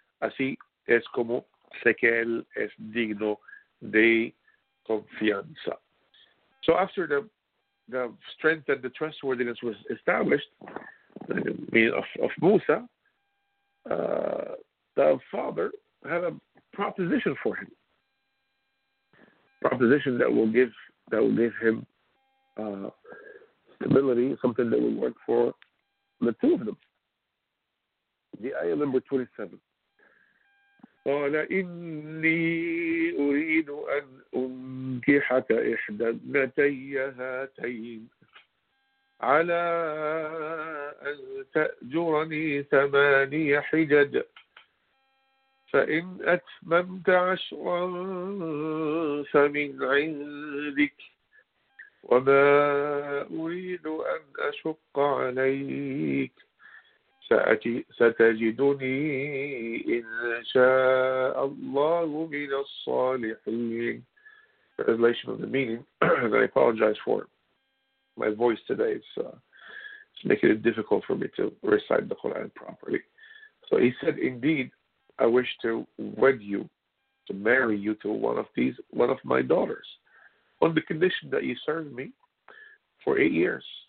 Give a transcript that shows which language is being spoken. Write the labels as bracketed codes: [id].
[es] Así es como sé que él es digno de confianza. [en] So after the strength and the trustworthiness was established, of Musa, the father had a proposition for him. Proposition that will give him stability, something that will work for the two of them. The ayah number 27. [ar] قَالَ إِنِّي أُرِيدُ أَنْ أُنْكِحَكَ إِحْدَى ابْنَتَيَّ هَاتَيْنِ عَلَىٰ أَنْ تَأْجُرَنِي ثَمَانِيَ حِجَجٍ. فإن أتممت عشرا فمن عندك وما أريد أن أشق عليك ستجدني إن شاء الله من الصالحين. [en] Translation of the meaning that I apologize for my voice today. It's making it difficult for me to recite the Quran properly. So he said, indeed, I wish to wed you, to marry you to one of my daughters, on the condition that you serve me for 8 years.